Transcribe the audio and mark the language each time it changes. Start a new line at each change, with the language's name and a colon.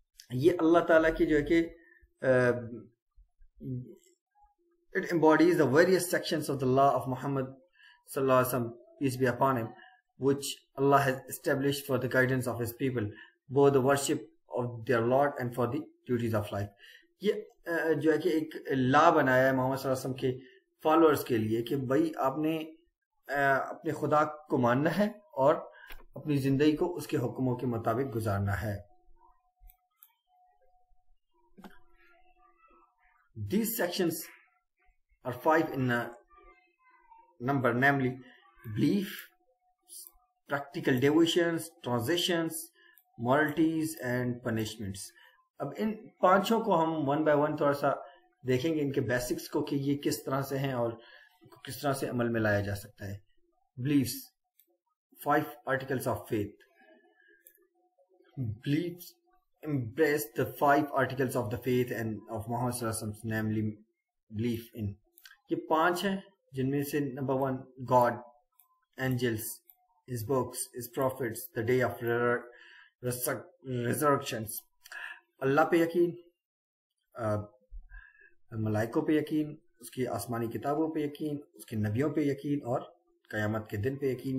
Urdu: Ye Allah Ta'ala ki jo hai ke,
English: it embodies the various sections of the law of Muhammad, sallallahu alayhi wa sallam, peace be upon him, which Allah has established for the guidance of his people, both the worship of their Lord and for the duties of life.
Urdu: Ye jo hai ke ek law banaya hai Muhammad sallallahu alayhi wa sallam ke followers کے لیے کہ بھائی آپ نے اپنے خدا کو ماننا ہے اور اپنی زندگی کو اس کے حکموں کے مطابق گزارنا ہے.
English: These sections are five in number, namely belief, practical devotions, transitions, moralities and punishments.
Urdu: اب ان پانچوں کو ہم ون بائی ون تھوڑا سا دیکھیں گے ان کے بیسکس کو کہ یہ کس طرح سے ہیں اور کس طرح سے عمل میں لایا جا سکتا ہے.
English: Beliefs, five articles of faith. Beliefs embrace the five articles of the faith and of Muhammad صلی اللہ علیہ وسلم, namely belief in.
Urdu: یہ پانچ ہیں جن میں سے
English: number one God, angels, his books, his prophets, the day of resurrections,
Urdu: اللہ پہ یقین, ملائکوں پہ یقین, اس کی آسمانی کتابوں پہ یقین, اس کے نبیوں پہ یقین اور قیامت کے دن پہ یقین.